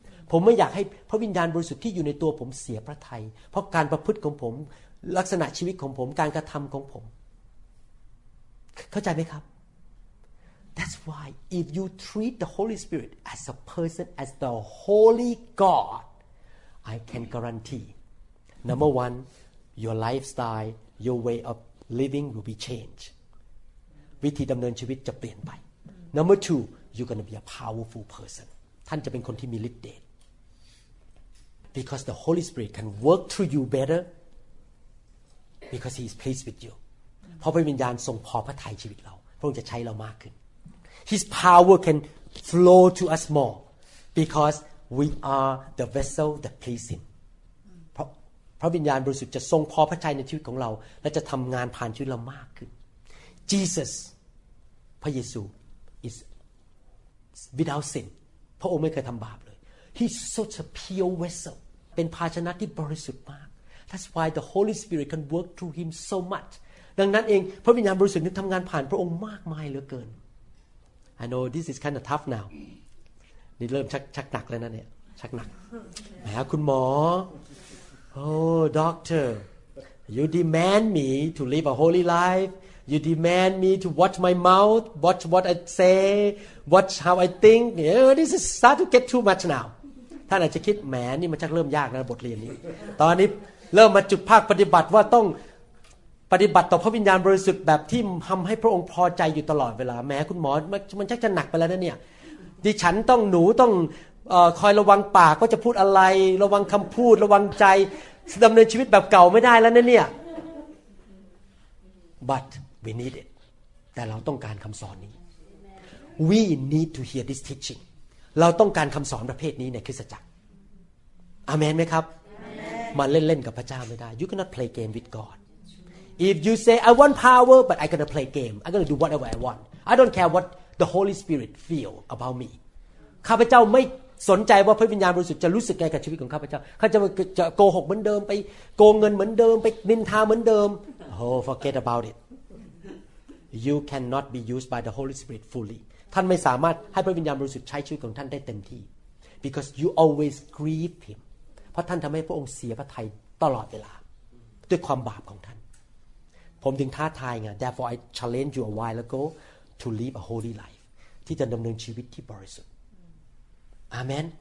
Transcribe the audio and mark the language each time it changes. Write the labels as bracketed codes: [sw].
[th] ผมไม่อยากให้พระวิญญาณบริสุทธิ์ที่อยู่ในตัวผมเสียพระทัยเพราะการประพฤติของผมลักษณะชีวิตของผมการกระทำของผมเข้าใจไหมครับ [en] That's why if you treat the Holy Spirit as a person as the Holy God, I can guarantee number one, your lifestyle, your way of living will be changed. [th] วิธีดำเนินชีวิตจะเปลี่ยนไป [en] Number two. You're going to be a powerful person. [th] ท่านจะเป็นคนที่มีฤทธิ์เดช [en] Because the Holy Spirit can work through you better because he is pleased with you. [th] เพราะพระวิญญาณทรงพอพระทัยชีวิตเราพระองค์จะใช้เรามากขึ้น [en] His power can flow to us more because we are the vessel that please him. [th] พระวิญญาณบริสุทธิ์จะทรงพอพระทัยในชีวิตของเราและจะทำงานผ่านชีวิตเรามากขึ้น Jesus พระเยซู [en] isWithout sin, [th] พระองค์ไม่เคยทำบาปเลย [en] He's such a pure vessel. [th] เป็นภาชนะที่บริสุทธิ์มาก [en] That's why the Holy Spirit can work through him so much. [th] ดังนั้นเองพระวิญญาณบริสุทธิ์นึกทำงานผ่านพระองค์มากมายเหลือเกิน [en] I know this is kind of tough now. [th] นี่เริ่มชักหนักแล้วนะเนี่ยชักหนักแหมคุณหมอ [en] Oh, doctor. You demand me to live a holy life. You demand me to watch my mouth, watch what I say, watch how I think. Yeah, this is start to get too much now. [th] ท่านอาจจะคิดแหมนี่มันชักเริ่มยากนะบทเรียนนี้ตอนนี้เริ่มมาจุดภาคปฏิบัติว่าต้องปฏิบัติต่อพระวิญญาณบริสุทธิ์แบบที่ทำให้พระองค์พอใจอยู่ตลอดเวลาแม้คุณหมอมันชักจะหนักไปแล้วนะเนี่ยดิฉันต้องหนูต้องคอยระวังปากว่าจะพูดอะไรระวังคำพูดระวังใจดำเนินชีวิตแบบเก่าไม่ได้แล้วนะเนี่ย [en] but we need it [th] แต่เราต้องการคำสอนนี้ [en] we need to hear this teaching [th] เราต้องการคำสอนประเภทนี้ในคริสตจักรอาเมนไหมครับมันเล่นๆกับพระเจ้าไม่ได้ [en] you cannot play game with godIf you say I want power, but I'm gonna play game. I'm gonna do whatever I want. I don't care what the Holy Spirit feel about me. [th] ข้าพเจ้าไม่สนใจว่าพระวิญญาณบริสุทธิ์จะรู้สึกไงกับชีวิตของข้าพเจ้าข้าจะโกหกเหมือนเดิมไปโกงเงินเหมือนเดิมไปนินทาเหมือนเดิม [en] Oh, forget about it. You cannot be used by the Holy Spirit fully. [th] ท่านไม่สามารถให้พระวิญญาณบริสุทธิ์ใช้ชีวิตของท่านได้เต็มที่ [en] because you always grieve him. [th] เพราะท่านทำให้พระองค์เสียพระทัยตลอดเวลาด้วยความบาปของท่านผมถึงท้าทายไง [en] therefore I challenge you a while ago to live a holy life [th] ที่จะดำเนินชีวิตที่บริสุทธิ์ amen